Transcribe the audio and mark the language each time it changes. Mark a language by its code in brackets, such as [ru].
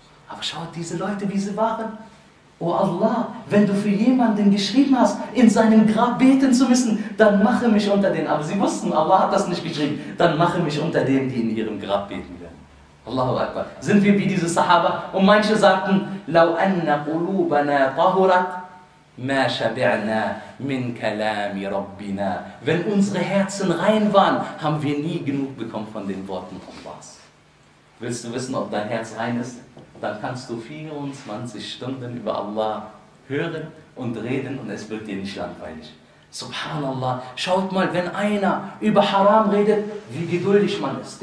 [de] Aber schaut diese Leute, wie sie waren. Oh Allah, wenn du für jemanden geschrieben hast, in seinem Grab beten zu müssen, dann mache mich unter denen. Aber sie wussten, Allah hat das nicht geschrieben. Dann mache mich unter denen, die in ihrem Grab beten werden. Allahu Akbar. Sind wir wie diese Sahaba? Und manche sagten, [ar] لو أن قلوبنا طهرت ما شبعنا من كلام ربنا. [de] Wenn unsere Herzen rein waren, haben wir nie genug bekommen von den Worten Allahs. Willst du wissen, ob dein Herz rein ist? Dann kannst du 24 Stunden über Allah hören und reden und es wird dir nicht langweilig. Subhanallah, schaut mal, wenn einer über Haram redet, wie geduldig man ist.